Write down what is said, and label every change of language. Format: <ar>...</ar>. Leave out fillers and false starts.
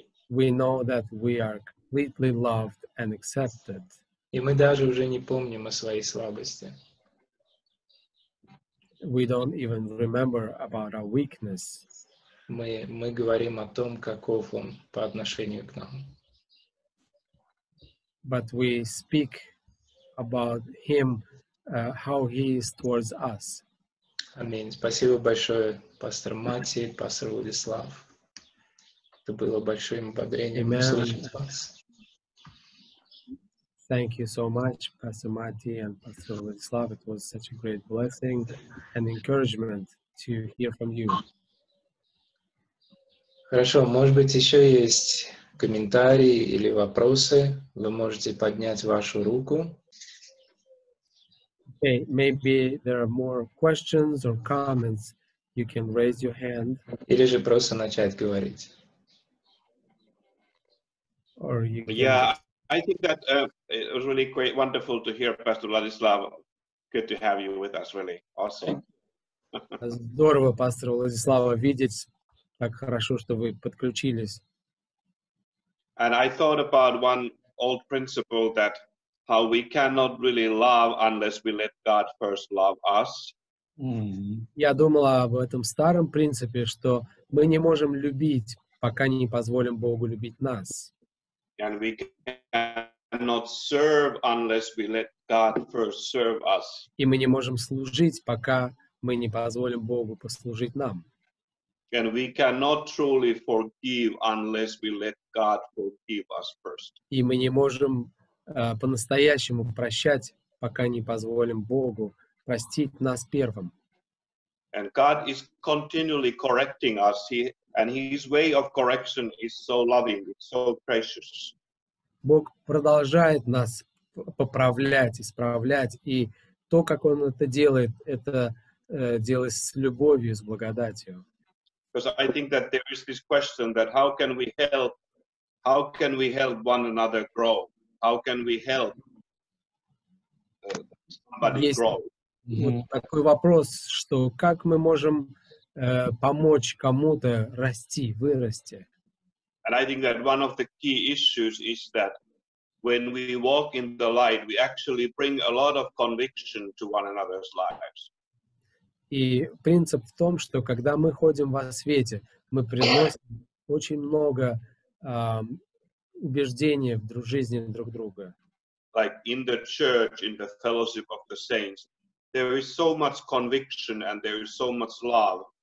<en>We know that we are completely loved and accepted.</en> <ru>И мы даже уже не помним о своей слабости.</ru> <en>We don't even remember about our weakness.</en> <ru>Мы говорим о том, каков он по отношению к нам.</ru> <en>But we speak about him, how he is towards us.</en> <ru>Аминь. Спасибо большое, пастор Мати, пастор Владислав. Это было большим ободрением услышать вас.</ru> <en>Thank you so much, Pastor Mati and Pastor Vladislav. It was such a great blessing and encouragement to hear from you.</en> <ru>Хорошо, может быть, еще есть комментарии или вопросы? Вы можете поднять вашу руку.</ru> <en>Okay, maybe there are more questions or comments. You can raise your hand.</en> <ru>Или же просто начать говорить.</ru> <en>Or you can... Yeah, I think that it was really quite wonderful to hear Pastor Vladislav. Good to have you with us, really. Awesome.</en> <ru>Здорово, пастор Владислава, видеть. Так хорошо, что вы подключились.</ru> <en>And I thought about one old principle that how we cannot really love unless we let God first love us.</en> <ru>Я думала об этом старом принципе, что мы не можем любить, пока не позволим Богу любить нас.</ru> <en>And we cannot serve unless we let God first serve us.</en> <ru>И мы не можем служить, пока мы не позволим Богу послужить нам.</ru> <en>And we cannot truly forgive unless we let God forgive us first.</en> <ru>И мы не можем по-настоящему прощать, пока не позволим Богу простить нас первым.</ru> <en>And God is continually correcting us. And his way of correction is so loving, it's so precious.</en> <ru>Бог продолжает нас поправлять, исправлять, и то, как он это делает с любовью, с благодатью.</ru> <en>Because I think that there is this question that how can we help one another grow? How can we help somebody</en> <ru>есть</ru> <en>grow?</en> <ru>Вот такой вопрос, что как мы можем помочь кому-то расти, вырасти.</ru> <en>And I think that one of the key issues is that when we walk in the light, we actually bring a lot of conviction to one another's lives.</en> <ru>И принцип в том, что когда мы ходим во свете, мы приносим очень много убеждений в дружизни друг друга.</ru> <en>Like in the church, in the fellowship of the saints, there is so much conviction and there is so much love.</en>